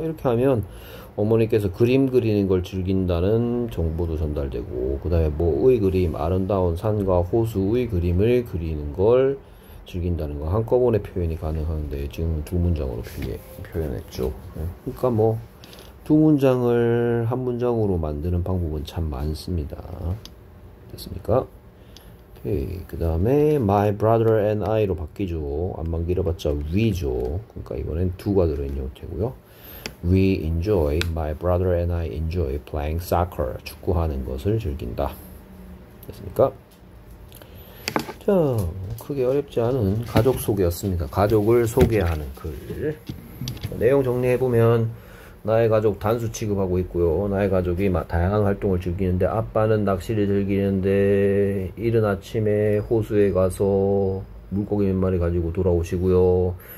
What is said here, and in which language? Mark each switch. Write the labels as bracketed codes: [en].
[ko] 이렇게 하면 어머니께서 그림 그리는 걸 즐긴다는 정보도 전달되고, 그다음에 뭐의 그림, 아름다운 산과 호수의 그림을 그리는 걸 즐긴다는 거 한꺼번에 표현이 가능한데 지금 두 문장으로 표현했죠. 그러니까 뭐. 두 문장을 한 문장으로 만드는 방법은 참 많습니다. 됐습니까? 오케이. 그 다음에 [en] my brother and I [ko] 로 바뀌죠. 안만 길어봤자 we죠. 그러니까 이번엔 두가 들어있는 형태고요. [en] We enjoy, my brother and I enjoy playing soccer. [ko] 축구하는 것을 즐긴다. 됐습니까? 자, 크게 어렵지 않은 가족 소개였습니다. 가족을 소개하는 글. 내용 정리해보면 나의 가족 단수 취급하고 있고요. 나의 가족이 막 다양한 활동을 즐기는데 아빠는 낚시를 즐기는데 이른 아침에 호수에 가서 물고기 몇 마리 가지고 돌아오시고요.